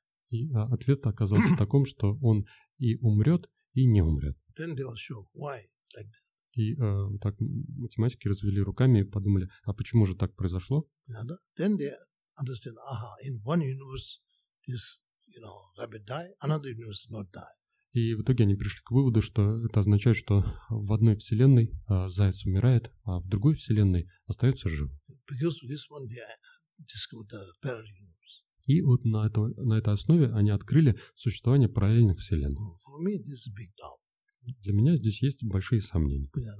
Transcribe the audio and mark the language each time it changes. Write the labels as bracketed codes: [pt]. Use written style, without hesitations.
[ru] И ответ оказался таком, что он и умрет, и не умрет. [en] Then they were sure. Why? Like that. [ru] И так математики развели руками и подумали, а почему же так произошло? [en] Yeah, then they understand, aha, in one universe this, you know, rabbit die, another universe not die. [ru] И в итоге они пришли к выводу, что это означает, что в одной вселенной заяц умирает, а в другой вселенной остается жив. [en] Because this one they discovered the parallel universe. [ru] И вот на этой основе они открыли существование параллельных вселенных. [en] For me this is big doubt. [ru] Для меня здесь есть большие сомнения.